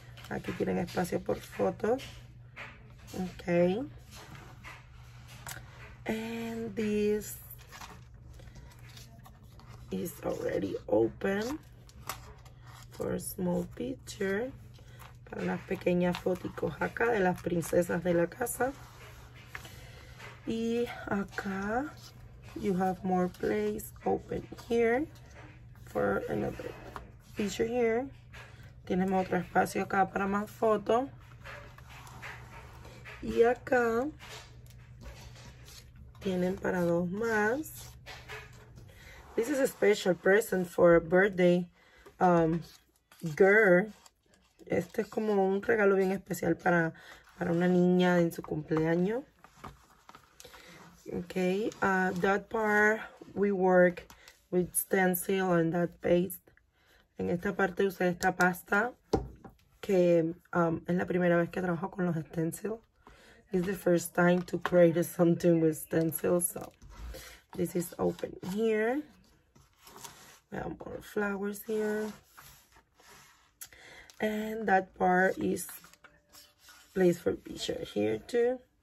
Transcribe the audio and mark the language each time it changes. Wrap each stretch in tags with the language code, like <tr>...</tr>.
<es>Aquí tienen espacio por fotos. Okay.</es> <en>And this is already open for a small picture.</en> <es>Para las pequeñas fotos acá de las princesas de la casa. Y acá</es> <en>you have more place open here for another picture here.</en> <es>Tenemos otro espacio acá para más fotos. Y acá tienen para dos más.</es> <en>This is a special present for a birthday girl.</en> <es>Este es como un regalo bien especial para una niña en su cumpleaños.</es> <en>Okay, that part we work with stencil and that paste.</en> <es>En esta parte usé esta pasta que es la primera vez que trabajo con los stencils.</es> <en>It's the first time to create something with stencils, so this is open here. We have more flowers here. And that part is placed for picture here too.</en>